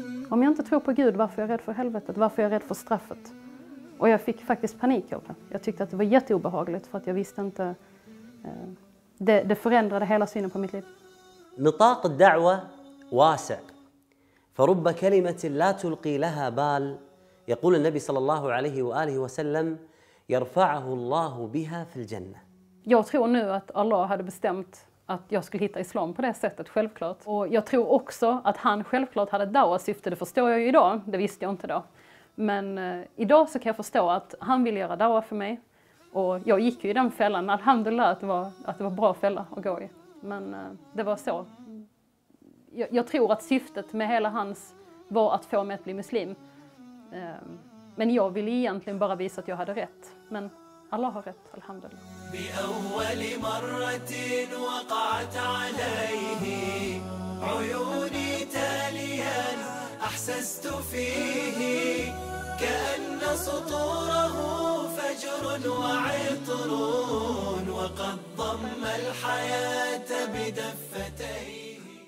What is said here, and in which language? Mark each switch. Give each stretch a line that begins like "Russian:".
Swedish: Om jag inte tror på Gud, varför är jag rädd för helvetet? Varför är jag rädd för straffet? Och jag fick faktiskt panik av det. Jag tyckte att det var jätteobehagligt för att jag visste inte... Det förändrade hela synen på mitt liv.
Arabic: نطاق الدعوة واسع. فرب كلمة لا تلقي لها بال يقول النبي صلى الله عليه وآله وسلم يرفعه الله بها في الجنة.
Swedish: Jag tror nu att Allah hade bestämt att jag skulle hitta islam på det sättet, självklart. Och jag tror också att han självklart hade dawa syfte. Det förstår jag ju idag. Det visste jag inte då. Men idag så kan jag förstå att han ville göra dawa för mig. Och jag gick ju i den fällan. Alhamdulillah att det var bra fälla att gå i. Men det var så. Jag tror att syftet med hela hans var att få mig att bli muslim. Men jag ville egentligen bara visa att jag hade rätt. Men Allah har rätt, alhamdulillah.
Arabic: بأول مرة وقعت عليه عيوني تاليا أحسست فيه كأن سطوره فجر وعطر وقد ضم الحياة بدفتيه.